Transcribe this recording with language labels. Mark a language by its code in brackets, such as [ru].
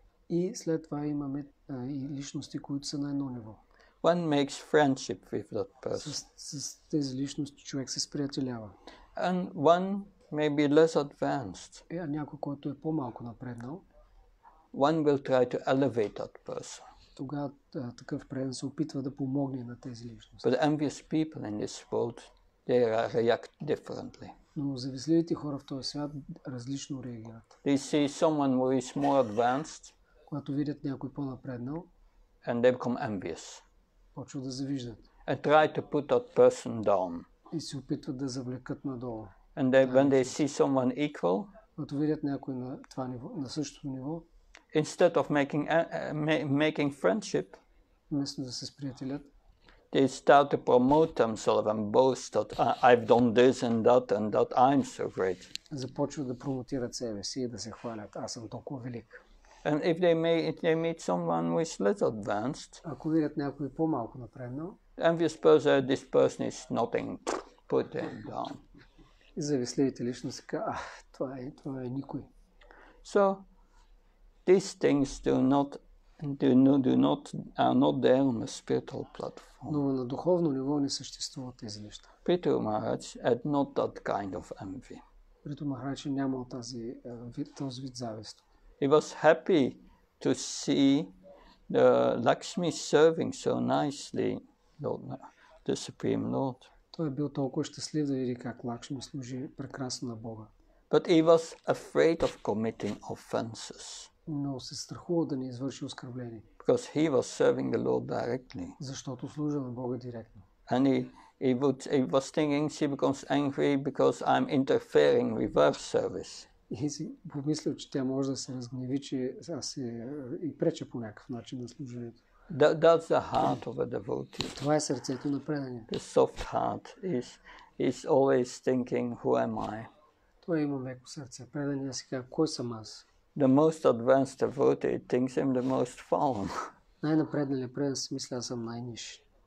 [bg] И след това имаме и личности, които са на едно ниво. [en] One makes friendship with that person. [bg] С тези личности човек се сприятелява. [en] And one may be less advanced. [bg] А някой, който е по-малко напреднал. [en] One will try to elevate that person. [bg] Тогава такъв преден се опитва да помогне на тези личности. [en] But envious people in this world, they react differently. [bg] Но завистливите хора в този свят различно реагират. [en] They see someone who is more advanced. [bg] Когато видят някой по-напреднал, [en] and they become envious. [bg] Почва да завиждат. [en] And try to put that person down. [bg] И се опитват да завлекат надолу. [en] And they, when they see someone equal, [bg] когато видят някой на това ниво, на същото ниво, [en] instead of making friendship, [bg] вместо да се сприятелят, [en] they start to promote themselves and boast that I've done this and that I'm so great. [bg] Започват да промотират себе си и да се хвалят, аз съм толкова велик. [en] And if they meet someone who is less advanced, [bg] ако видят някой по-малко напреднал, [en] envious person, this person is nothing, put them down. [bg] И завистливите личности казват, това е никой. [en] So these things are not there on a spiritual platform. [bg] Но на духовно ниво не съществуват тези неща. [en] Prithu Maharaj had not that kind of envy. [bg] Prithu Maharaj нямал тази този вид завист. [en] He was happy to see the Lakshmi serving so nicely the Supreme Lord. [bg] Той е бил толкова щастлив да види как Лакшми служи прекрасно на Бога. [en] But he was afraid of committing offenses. [bg] но се страхува да не извърши оскърбление. [en] Because he was serving the Lord directly. [bg] Защото служил на Бога директно. [en] And he was thinking, she becomes angry because I'm interfering with her service. [bg] И си помислил, че тя може да се разгневи, че аз се и преча по някакъв начин на служението. [en] That's the heart of a devotee. [bg] Това е сърцето на предания. [en] The soft heart is always thinking, who am I? [bg] Той има меко сърце. Предания си казва, кой съм аз? [en] The most advanced devotee thinks him the most fallen. [bg] Най-напредналият предан си мисля, аз съм най-ниш.